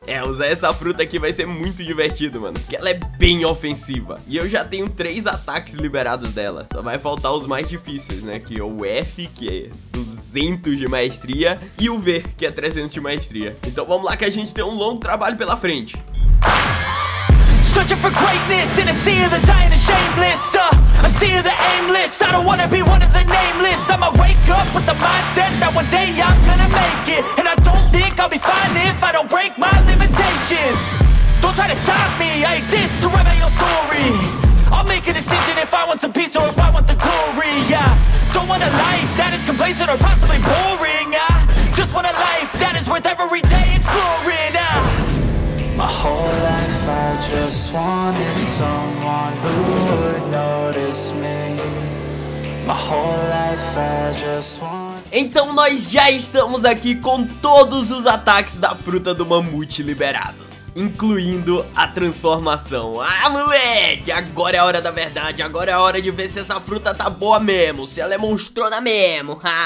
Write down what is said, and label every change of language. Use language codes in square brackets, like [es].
[pt] É, usar essa fruta aqui vai ser muito divertido, mano. Porque ela é bem ofensiva. E eu já tenho três ataques liberados dela. Só vai faltar os mais difíceis, né? Que é o F, que é 200 de maestria. E o V, que é 300 de maestria. Então vamos lá que a gente tem um longo trabalho pela frente. [en] Searching for greatness in a sea of the dying and shameless, a sea of the aimless. I don't wanna be one of the nameless. I'ma wake up with the mindset that one day I'm gonna make it, and I don't think I'll be fine if I don't break my limitations. try to stop me. I exist to rewrite your story. I'll make a decision if I want some peace or if I want the glory. Yeah, don't want a life that is complacent or possibly boring. I just want a life that is worth every day exploring. My whole life I just wanted someone who would notice me. My whole life I just wanted. [pt] Então nós já estamos aqui com todos os ataques da fruta do mamute liberados, incluindo a transformação. Ah, moleque, agora é a hora da verdade, agora é a hora de ver se essa fruta tá boa mesmo, se ela é monstrona mesmo.